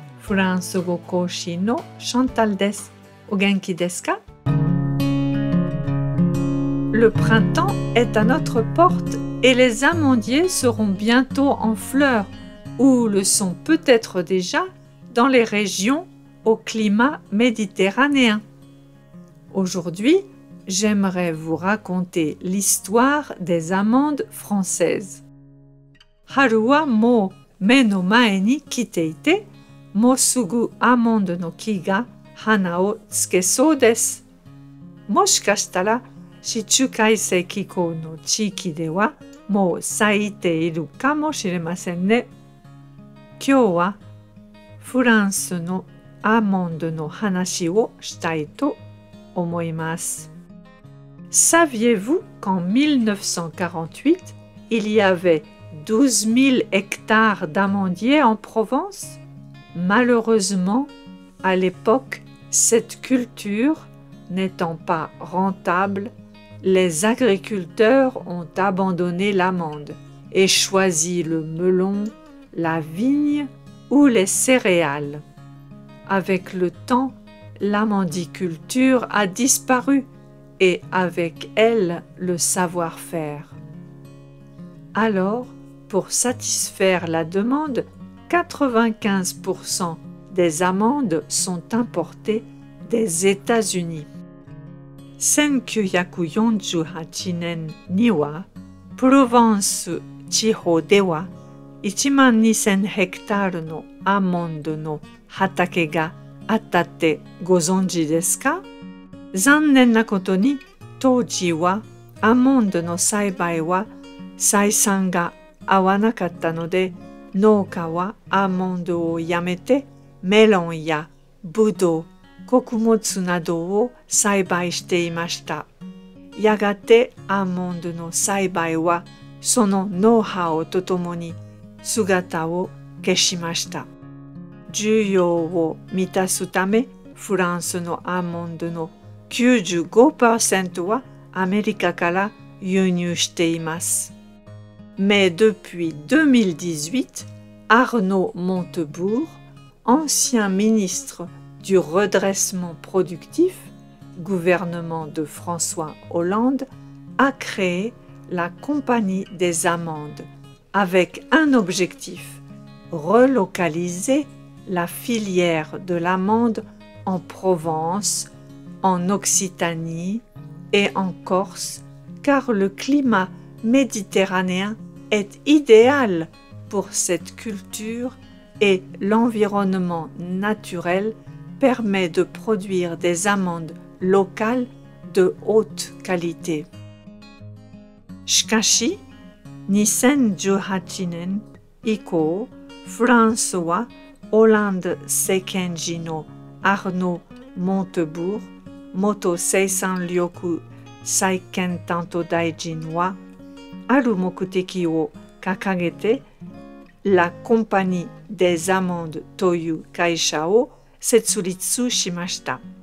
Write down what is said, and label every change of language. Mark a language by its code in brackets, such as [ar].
[ja] フランス語講師のシャンタルです。お元気ですか? [fr] Le printemps est à notre porte et les amandiers seront bientôt en fleurs ou le sont peut-être déjà dans les régions au climat méditerranéen. Aujourd'hui, j'aimerais vous raconter l'histoire des amandes françaises. [ja] 春はもう目の前に来ていて、もうすぐアーモンドの木が花をつけそうです。もしかしたら地中海性気候の地域ではもう咲いているかもしれませんね。今日はフランスのアーモンドの話をしたいと思います。 [fr] Saviez-vous qu'en 1948, il y avait 12 000 hectares d'amandiers en Provence? Malheureusement, à l'époque, cette culture n'étant pas rentable, les agriculteurs ont abandonné l'amande et choisi le melon, la vigne ou les céréales. Avec le temps, l'amandiculture a disparu et avec elle le savoir-faire. Alors, pour satisfaire la demande,95% des amandes sont importées des États-Unis. [ja] 1948年には、プロヴァンス地方では、1万2000ヘクタールのアーモンドの畑があったってご存知ですか? 残念なことに、当時はアーモンドの栽培は採算が合わなかったので、農家はアーモンドをやめて、メロンやブドウ、穀物などを栽培していました。やがてアーモンドの栽培は、そのノウハウとともに姿を消しました。需要を満たすため、フランスのアーモンドの 95% はアメリカから輸入しています。 [fr] Mais depuis 2018, Arnaud Montebourg, ancien ministre du redressement productif, gouvernement de François Hollande, a créé la Compagnie des Amandes avec un objectif, relocaliser la filière de l'amande en Provence, en Occitanie et en Corse, car le climat méditerranéen est idéal pour cette culture et l'environnement naturel permet de produire des amandes locales de haute qualité. [ja] しかし、2018年以降、フランスはオランダ政権時のアーノ・モンテブーグ、元生産緑再建担当大臣はある目的を掲げて、La Compagnie des Amandes という会社を設立しました。